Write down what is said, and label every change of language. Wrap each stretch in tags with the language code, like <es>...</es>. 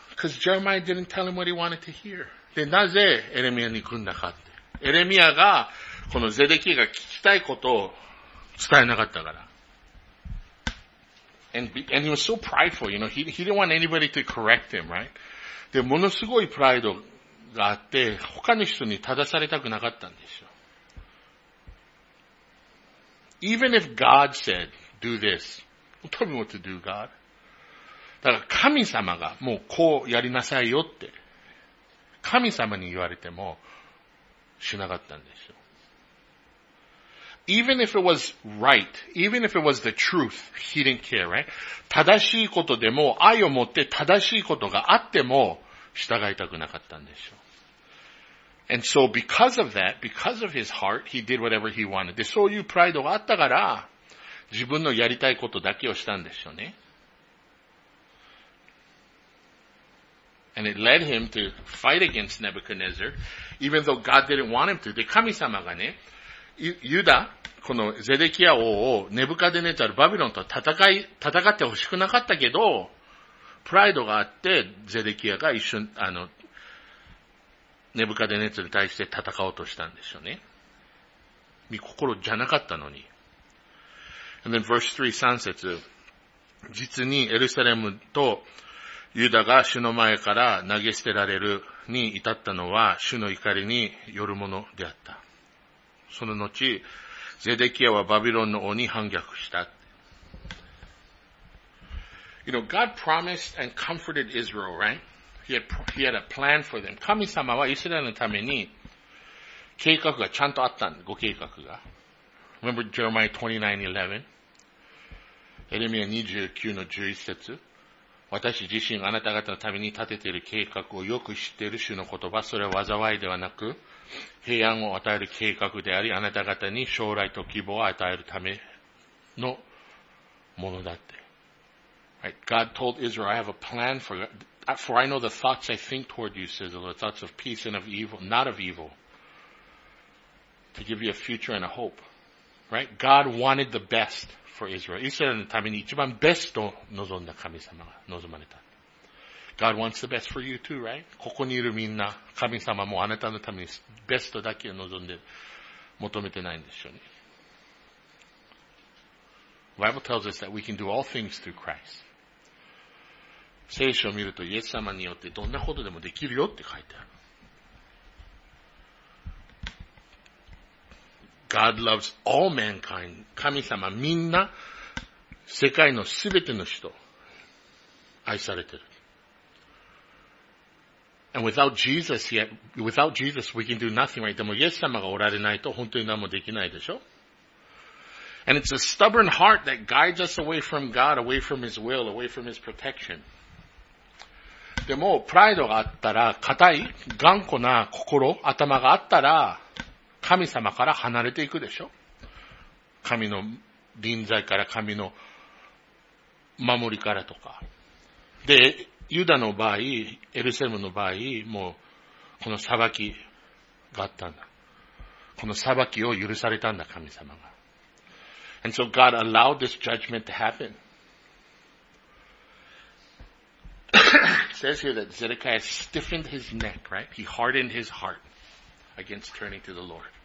<en>Because Jeremiah didn't tell him what he wanted to hear.</en> <ja>で、なぜエレミア憎んだかって。エレミアが、このゼデキが聞きたいことを伝えなかったから。</ja> <en>And he was so prideful, you know, he didn't want anybody to correct him, right?</en> <ja>で、ものすごいプライドがあって、他の人に正されたくなかったんですよ。</ja> <en>Even if God said, do this, tell me what to do, God.</en> <ja>だから神様がもうこうやりなさいよって、神様に言われてもしなかったんですよ。</ja> <en>Even if it was right, even if it was the truth, he didn't care, right?</en> <ja>正しいことでも、愛を持って正しいことがあっても、従いたくなかったんでしょう。</ja> <en>And so because of that, because of his heart, he did whatever he wanted.</en> <ja>で、そういうプライドがあったから、自分のやりたいことだけをしたんでしょうね。</ja> <en>And it led him to fight against Nebuchadnezzar, even though God didn't want him to.</en> <ja>で、神様がね、ユダ、このゼデキア王をネブカデネザルバビロンと戦ってほしくなかったけど、プライドがあって、ゼデキアが一緒に、ネブカデネザルに対して戦おうとしたんですよね。見心じゃなかったのに。</ja> <en>And then verse 3,</en> <ja>3節。実にエルサレムとユダが主の前から投げ捨てられるに至ったのは、主の怒りによるものであった。その後、ゼデキアはバビロンの王に反逆した。</ja> <en>You know, God promised and comforted Israel, right? He had a plan for them.</en> <ja>神様はイスラエルのために計画がちゃんとあったん、ご計画が。</ja> <en>Remember Jeremiah 29:11?</en> <ja>エレミア 29:11 節。私自身あなた方のために立てている計画をよく知っている主の言葉、それは災いではなく、平安を与える計画であり、あなた方に将来と希望を与えるためのものだって。</ja> <en>Right. God told Israel, I have a plan for I know the thoughts I think toward you, says the Lord, thoughts of peace and of evil, not of evil, to give you a future and a hope. Right? God wanted the best for Israel.</en> <ja>イスラエルのために一番ベストを望んだ神様が望まれた。</ja> <en>God wants the best for you too, right?</en> <ja>ここにいるみんな、神様もあなたのためにベストだけを望んで求めてないんでしょうね。</ja> <en>The Bible tells us that we can do all things through Christ.</en> <ja>聖書を見るとイエス様によってどんなことでもできるよって書いてある。</ja> <en>God loves all mankind.</en> <ja>神様みんな世界のすべての人愛されてる。</ja> <en>And without Jesus, we can do nothing, right?</en> <ja>でもイエス様がおられないと本当に何もできないでしょ。</ja> <en>And it's a stubborn heart that guides us away from God, away from His will, away from His protection.</en> <ja>でも、プライドがあったら、硬い、頑固な心、頭があったら、神様から離れていくでしょ。神の臨在から、神の守りからとか。で、ユダの場合、エルセムの場合、もう、この裁きがあったんだ。この裁きを許されたんだ、神様が。</ja> <en>And so God allowed this judgment to happen. It says here that Zedekiah stiffened his neck, right? He hardened his heart against turning to the Lord.</en>